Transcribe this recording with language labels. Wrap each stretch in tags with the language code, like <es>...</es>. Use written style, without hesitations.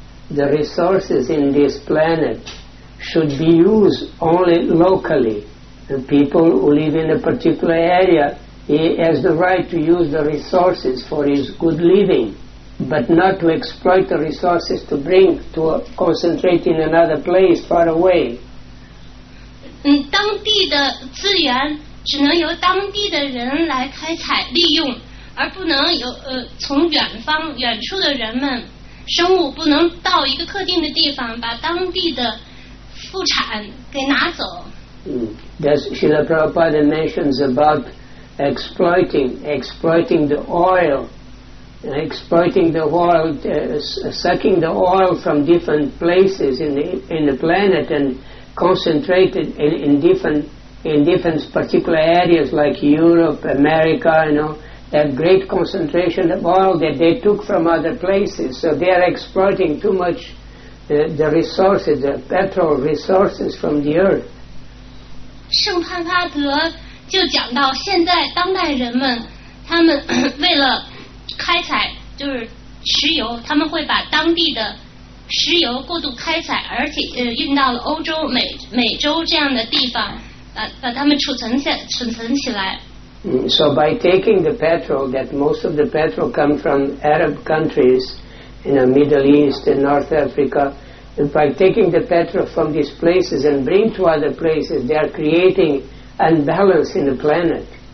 <en>The resources in this planet should be used only locally. The people who live in a particular area, he has the right to use the resources for his good living, but not to exploit the resources to bring to concentrate in another place far away.</en> <zh>当地的资源只能由当地的人来开采利用，而不能由从远方远处的人们生物不能到一个特定的地方把当地的副产给拿走。</zh> <en>Does Srila Prabhupada mentions about exploiting the oil, sucking the oil from different places in the planet and concentrated in different particular areas like Europe, America, you know, that great concentration of oil that they took from other places. So they are exploiting too much the resources, the petrol resources from the earth.</en> <zh>圣帕帕德就讲到现在当代人们他们为了开采就是石油，他们会把当地的石油过度开采，而且运到了欧洲、美洲这样的地方，把它们储存起来。</zh> <en>So by taking the petrol, that most of the petrol come from Arab countries in the Middle East and North Africa, by taking the petrol from these places and bring to other places, they are creating unbalance in the planet.</en>